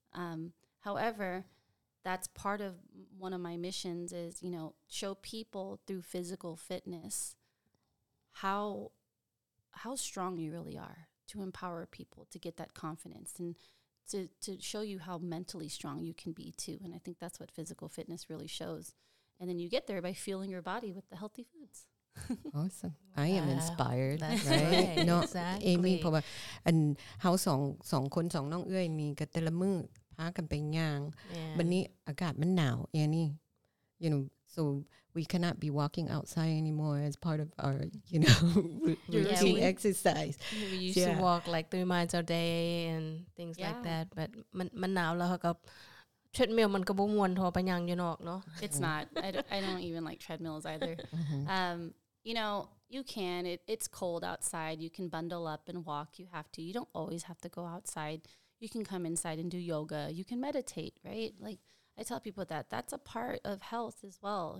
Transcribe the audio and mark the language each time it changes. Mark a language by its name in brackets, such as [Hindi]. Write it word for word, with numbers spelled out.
[English] Um, however... That's part of one of my missions is, you know, show people through physical fitness how how strong you really are, to empower people to get that confidence and to, to show you how mentally strong you can be too. And I think that's what physical fitness really shows. And then you get there by fueling your body with the healthy foods. Awesome. I am inspired. That's right. right. No, exactly. [Northeastern Thai] Amy เพราะว่าอันเฮาสอง สองคนสองน้องเอื้อยมีกันแต่ละมื้อพากันไปย่างวันนี้อากาศมันหนาว Annie you know so we cannot be walking outside anymore as part of our you know routine yeah, exercise [English] we used yeah. to walk like three miles a day and things yeah. like that but มันมันหนาวแล้วก็ treadmill มันก็บ่ม่วนเท่าไปย่างอยู่นอกเนาะ It's not I don't, I don't even like treadmills either um you know you can it, it's cold outside you can bundle up and walk you have to you don't always have to go outside You can come inside and do yoga. You can meditate, right? Like I tell people that that's a part of health as well.